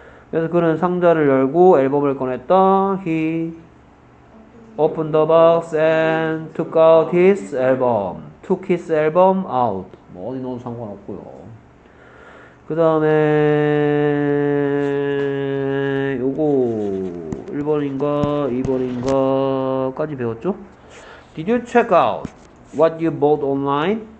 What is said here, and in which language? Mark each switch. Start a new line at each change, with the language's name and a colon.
Korean: 그래서 그는 상자를 열고 앨범을 꺼냈다.
English: He opened the box and took out his album. Took his album out.
Korean: 뭐 어디 넣어도 상관없고요. 그 다음에 요거 1번인가 2번인가 까지 배웠죠?
English: Did you check out what you bought online?